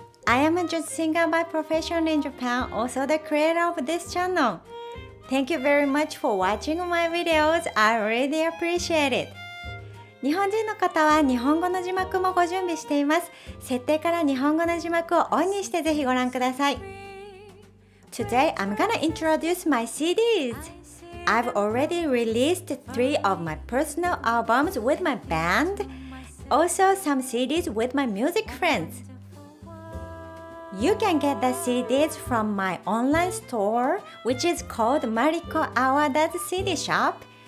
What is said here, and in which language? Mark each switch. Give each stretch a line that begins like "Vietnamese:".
English: I am a jazz singer by profession in Japan, also the creator of this channel. Thank you very much for watching my videos. I really appreciate it.
Japanese: 日本人の方は日本語の字幕もご準備しています。設定から日本語の字幕をオンにしてぜひご覧ください。
English: Today, I'm gonna introduce my CDs. I've already released three of my personal albums with my band, also some CDs with my music friends. You can get the CDs from my online store, which is called Mariko AWADA's CD Shop.